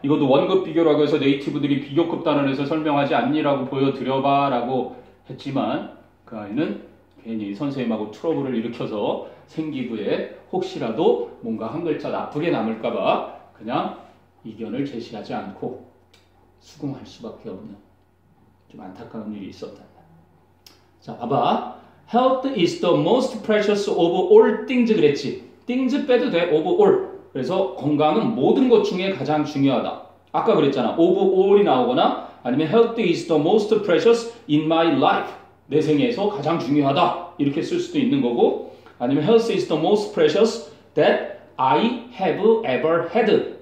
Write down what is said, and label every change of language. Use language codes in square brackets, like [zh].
[ko] 이것도 원급 비교라고 해서 네이티브들이 비교급 단원에서 설명하지 않니라고 보여드려봐 라고 했지만 그 아이는 괜히 선생님하고 트러블을 일으켜서 생기부에 혹시라도 뭔가 한 글자 나쁘게 남을까봐 그냥 이견을 제시하지 않고 수긍할 수밖에 없는 좀 안타까운 일이 있었다. 자, 봐봐. [en] Health is the most precious of all things [ko] 그랬지. Things 빼도 돼. Of all. 그래서 건강은 모든 것 중에 가장 중요하다. 아까 그랬잖아. Of all이 나오거나 아니면 [en] Health is the most precious in my life. [ko] 내 생애에서 가장 중요하다. 이렇게 쓸 수도 있는 거고 아니면 [en] Health is the most precious that I have ever had.